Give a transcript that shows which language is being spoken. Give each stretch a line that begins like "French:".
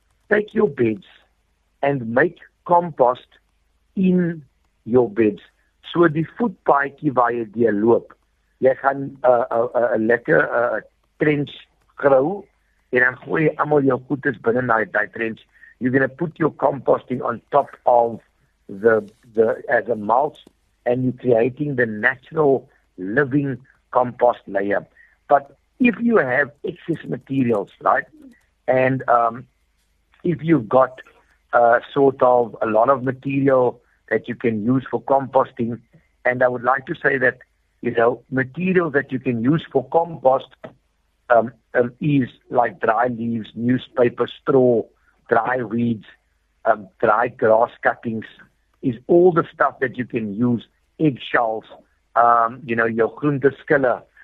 English: Take your beds and make compost in your beds.
Afrikaans: So die voetpaadjie waar jy deur loop, jy gaan 'n lekker trench grou en dan gooi jy almal jou goedes binne daai trench.
English: You're going to put your composting on top of the as a mulch and you're creating the natural living compost layer. But if you have excess materials, right, and if you've got sort of a lot of material that you can use for composting, and I would like to say that, you know, material that you can use for compost is like dry leaves, newspaper, straw, dry weeds, dry grass cuttings, is all the stuff that you can use, eggshells, you know, your
Afrikaans: groente skille.